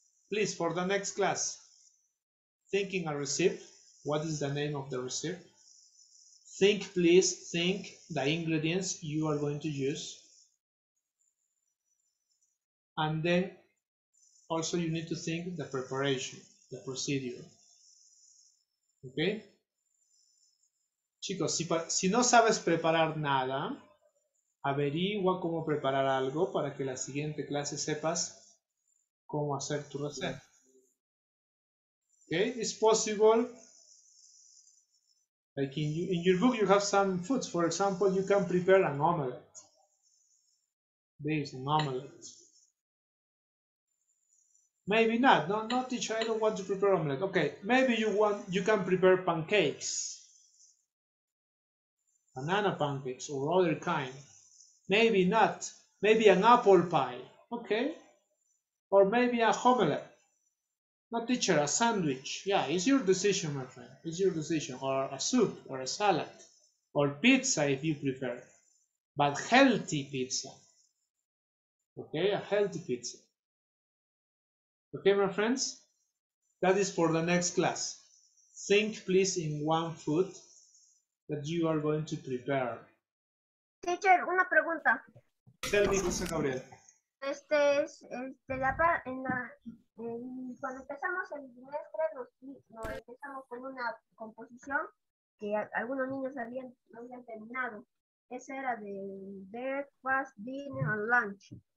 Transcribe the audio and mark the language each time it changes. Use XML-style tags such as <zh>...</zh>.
<en>Please, for the next class, thinking a recipe, what is the name of the recipe? Think, please, think the ingredients you are going to use. And then also you need to think the preparation, the procedure. Okay?</en> <es>Chicos, si no sabes preparar nada, averigua cómo preparar algo para que la siguiente clase sepas cómo hacer tu receta.</es> <en>Okay, it's possible. Like in your book, you have some foods. For example, you can prepare an omelette. There is an omelette. Maybe not. No, not teacher. I don't want to prepare omelette. Okay, maybe you can prepare pancakes. Banana pancakes or other kind. Maybe not. Maybe an apple pie. Okay. Or maybe a omelette. No, teacher, a sandwich. Yeah, it's your decision, my friend. It's your decision. Or a soup, or a salad. Or pizza, if you prefer. But healthy pizza. Okay, a healthy pizza. Okay, my friends? That is for the next class. Think, please, in one food that you are going to prepare.</en> <es>Teacher, una pregunta.</es> <en>Tell me, José Gabriel.</en> <es>Este es este la en la cuando empezamos el trimestre nos empezamos con una composición que algunos niños no habían terminado. Esa era de</es> <en>breakfast, dinner and lunch.</en>